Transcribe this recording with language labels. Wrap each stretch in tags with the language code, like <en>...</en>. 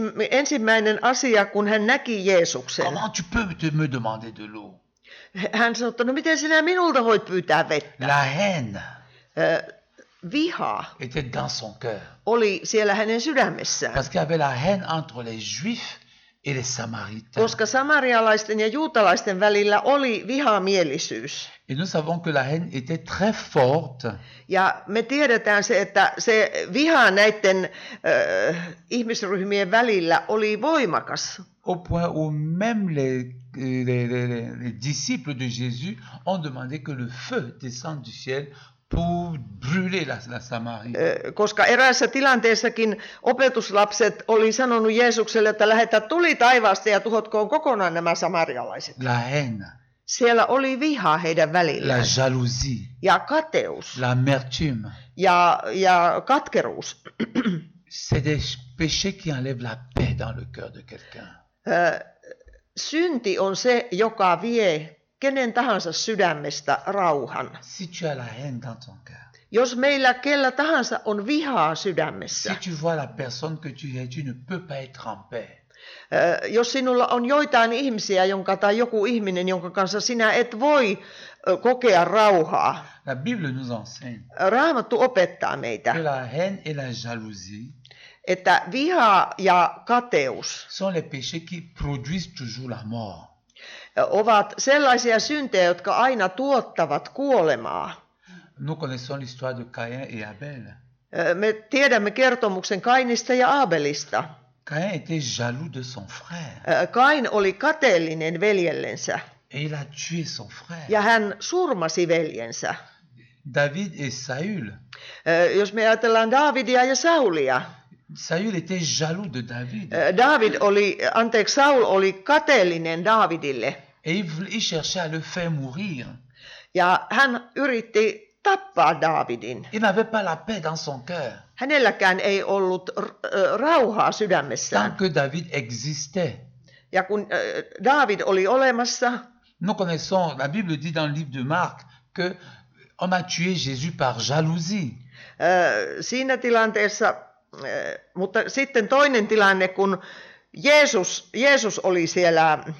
<fi>ensimmäinen asia kun hän näki Jeesuksen.</fi> <fr>Comment tu peux me demander de l'eau?</fr> <fi>Hän sanoi, että no miten sinä minulta voit pyytää vettä?</fi> <fr>La haine.</fr> <fi>Viha</fi> <fr>était dans son cœur.</fr> <fi>Oli siellä hänen sydämessään.</fi> <fr>Parce qu'il y avait la haine entre les Juifs et les Samaritains.</fr> <fi>Koska samarialaisten ja juutalaisten välillä oli vihamielisyys.</fi> <fr>Et nous savons que la haine était très forte.</fr> <fi>Ja me tiedetään se, että se viha näiden ihmisryhmien välillä oli voimakas.</fi> <fr>au point où même les disciples de Jésus ont demandé que le feu descende du ciel pour brûler la Samarie.</fr> <fi>Koska eräässä tilanteessakin opetuslapset oli sanonut Jeesukselle, että lähetä tuli taivaasta ja tuhotkoon kokonaan nämä samarialaiset.</fi> <fr>La haine.</fr> <fi>Siellä oli viha heidän välillä.</fi> <fr>La jalousie.</fr> <fi>Ja kateus.</fi> <fr>L'amertume.</fr> <fi>Ja katkeruus.</fi> <fr>C'est des péchés qui enlèvent la paix dans le cœur de quelqu'un.</fr> <fi>Synti on se, joka vie kenen tahansa sydämestä rauhan.</fi> <fr>Si tu as la haine dans ton cœur.</fr> <fi>Jos meillä kellä tahansa on vihaa sydämessä.</fi> <fr>Si tu vois la personne que tu es, tu ne peux pas être en paix.</fr> <fi>Jos sinulla on joitain ihmisiä, jonka tai joku ihminen, jonka kanssa sinä et voi kokea rauhaa.</fi> <fr>La Bible nous enseigne.</fr> <fi>Raamattu opettaa meitä.</fi> <fr>La haine et la jalousie.</fr> <fi>Että viha ja kateus.</fi> <fr>Sont les péchés qui produisent toujours la mort.</fr> <fi>Ovat sellaisia syntejä, jotka aina tuottavat kuolemaa.</fi> <fr>Nous connaissons l'histoire de Caïn et Abel.</fr> <fi>Me tiedämme kertomuksen Kainista ja Abelista.</fi> <fr>Caïn était jaloux de son frère.</fr> <fi>Kain oli kateellinen veljellensä.</fi> <fr>Et il a tué son frère.</fr> <fi>Ja hän surmasi veljensä.</fi> <fr>David et Saül.</fr> <fi>Jos me ajatellaan Davidia ja Saulia.</fi> <fr>Saül était jaloux de David.</fr> <fi>Saul oli kateellinen Davidille.</fi> <fr>Et il cherchait à le faire mourir.</fr> <fi>Ja hän yritti tappaa Davidin.</fi> <fr>Il n'avait pas la paix dans son cœur.</fr> <fi>Hänelläkään ei ollut rauhaa sydämessään.</fi> <fr>Tant que David existait.</fr> <fi>Ja kun David oli olemassa.</fi> <fr>Nous connaissons, la Bible dit dans le livre de Marc que on a tué Jésus par jalousie.</fr> <fi>Siinä tilanteessa, mutta sitten toinen tilanne, kun Jeesus oli siellä.</fi>